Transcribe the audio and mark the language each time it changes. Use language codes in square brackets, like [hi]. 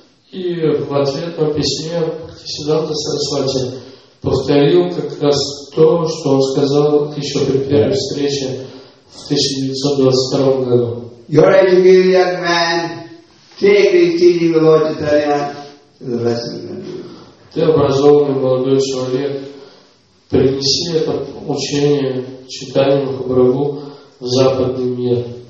[ru] и в ответ на письме Бхактисиддханта Сарасвати повторил как раз то, что он сказал еще при первой встрече в 1922 году. [en] You're an educated young man. Take the teaching of Lord Chaitanya to the rest of the country. [ru] Ты образованный молодой человек, принеси это учение Чайтанья Махапрабху в западный мир.